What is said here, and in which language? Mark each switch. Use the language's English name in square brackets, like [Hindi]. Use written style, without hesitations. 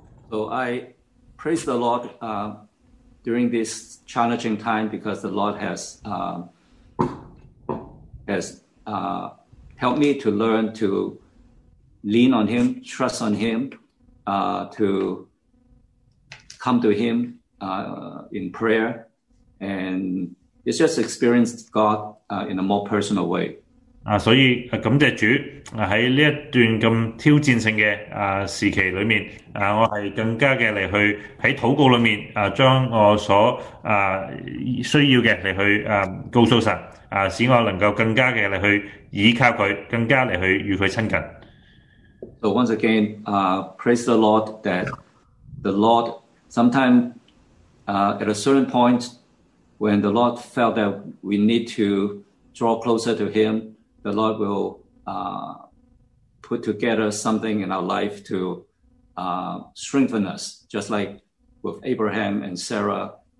[English] So I praise the Lord during this challenging time because the Lord has helped me to learn to lean on Him, trust on Him, to come to Him in prayer, and it's just experienced God in a more personal way. [Cantonese] 所以感谢主，喺呢一段咁挑战性嘅时期里面，我系更加嘅嚟去喺祷告里面，将我所需要嘅嚟去告诉神，使我能够更加嘅嚟去倚靠佢，更加嚟去与佢亲近。 [English] So once again, praise the Lord that the Lord, sometime at a certain point, when the Lord felt that we need to draw closer to Him, the Lord will put together something in our life to strengthen us, just like with Abraham and Sarah.